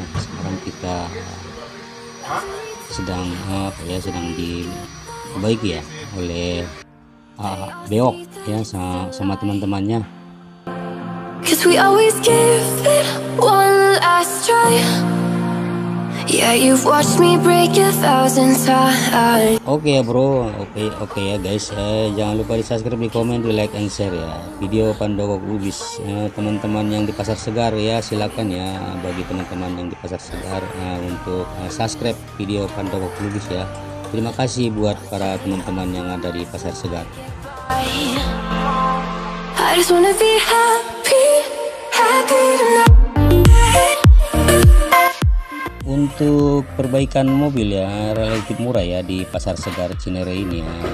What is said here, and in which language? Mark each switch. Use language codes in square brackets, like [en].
[id] Sekarang kita sedang ya, sedang diperbaiki ya oleh beok ya sama teman-temannya. [en] Cause we always give it one last try. Yeah, you've watched me break a thousand times. [id] Oke ya bro, oke ya guys. Jangan lupa di subscribe, di komen, di like, and share ya. Video Pandogok Lubis. Teman-teman yang di Pasar Segar ya, silakan ya bagi teman-teman yang di Pasar Segar untuk subscribe video Pandogok Lubis ya. Terima kasih buat para teman-teman yang ada di Pasar Segar. [en] I just wanna be happy, happy tonight. [id] untuk perbaikan mobil ya, relatif murah ya di Pasar Segar Cinere ini ya.